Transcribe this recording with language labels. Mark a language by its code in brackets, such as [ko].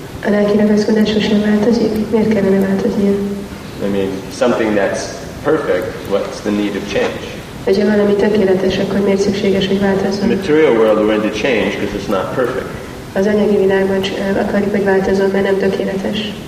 [hu] A lelki ragaszkodás sosem változik. Miért kellene változnia? [en] I mean, something that's perfect, what's the need of change? [hu] Hogyha valami tökéletes, akkor miért szükséges, hogy változzon? [en] The material world we're into change because it's not perfect. [hu] Az anyagi világban akarjuk, hogy változzon, mert nem tökéletes.